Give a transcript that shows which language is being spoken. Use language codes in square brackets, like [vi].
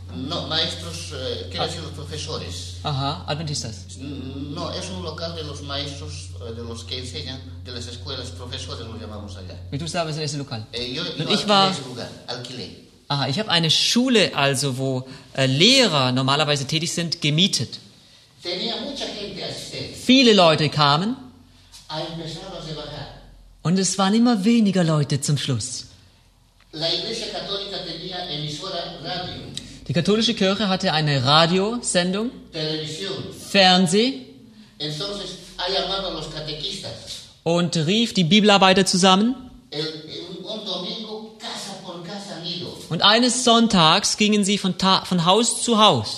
[es] No, Maestros, quiero decir los profesores. Ajá, Adventistas. No, es un local de los maestros, de los que enseñan, de las escuelas, profesores, los llamamos allá. ¿Y tú sabes en ese local? Yo alquilé ese lugar. [de] Ajá, ich habe eine Schule, also wo Lehrer normalerweise tätig sind, gemietet. [es] Tenía mucha gente asistente. [de] Viele Leute kamen. [es] A empezar a trabajar. [de] Und es waren immer weniger Leute zum Schluss. [es] La iglesia católica tenía emisora radio. [de] Die katholische Kirche hatte eine Radiosendung, [es] Television. [de] Fernsehen, [es] entonces, ha llamado a los catequistas. [de] Und rief die Bibelarbeiter zusammen. [es] Un domingo, casa por casa, nido. [de] Und eines Sonntags gingen sie von Haus zu Haus